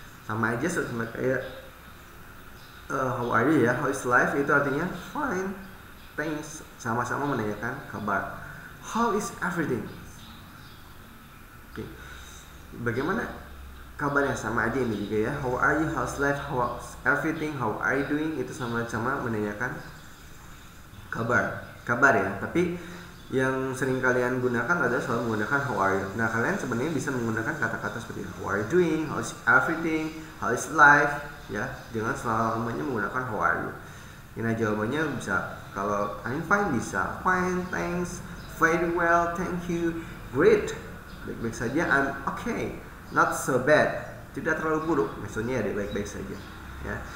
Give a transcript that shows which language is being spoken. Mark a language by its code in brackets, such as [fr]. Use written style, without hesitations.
[id] sama aja sama kayak [en] how are you [id] ya, [en] how is life, [id] itu artinya [en] fine, thanks, [id] sama-sama menanyakan kabar. [en] How is everything? Okay. [id] Bagaimana kabarnya, sama aja ini juga ya. [en] How are you, how's life, how's everything, how are you doing, [id] itu sama-sama menanyakan kabar. Kabar ya, tapi yang sering kalian gunakan adalah selalu menggunakan [en] how are you. [id] Nah, kalian sebenarnya bisa menggunakan kata-kata seperti [en] how are you doing, how is everything, how is life, [id] ya, dengan selamanya menggunakan [en] how are you. [id] Nah, jawabannya bisa, kalau [en] I'm fine [id] bisa, [en] fine, thanks, very well, thank you, great, [id] baik-baik saja, [en] I'm okay, not so bad, [id] tidak terlalu buruk, maksudnya ya, baik-baik saja. Ya.